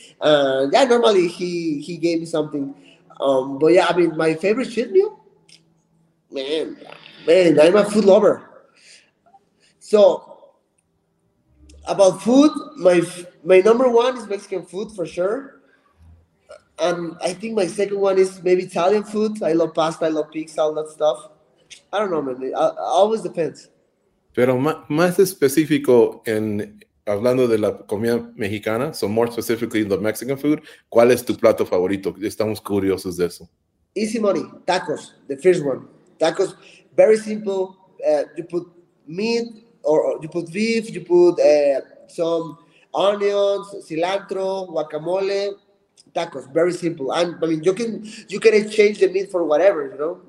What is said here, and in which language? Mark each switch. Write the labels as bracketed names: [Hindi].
[English] Yeah, normally he gave me something. But yeah, I mean, my favorite cheat meal, man, I'm a food lover. So about food, my number one is Mexican food for sure. And I think my second one is maybe Italian food. I love pasta, I love pizza, all that stuff. I don't know, man. It always depends. [Spanish] Pero más específico en hablando de la comida mexicana, [English] so more specifically the Mexican food, [Spanish] ¿cuál es tu plato favorito? Estamos curiosos de eso. [English] Easy money, tacos, the first one. Tacos, very simple. You put meat or you put beef, you put some onions, cilantro, guacamole, tacos, very simple. And I mean, you can exchange the meat for whatever, you know?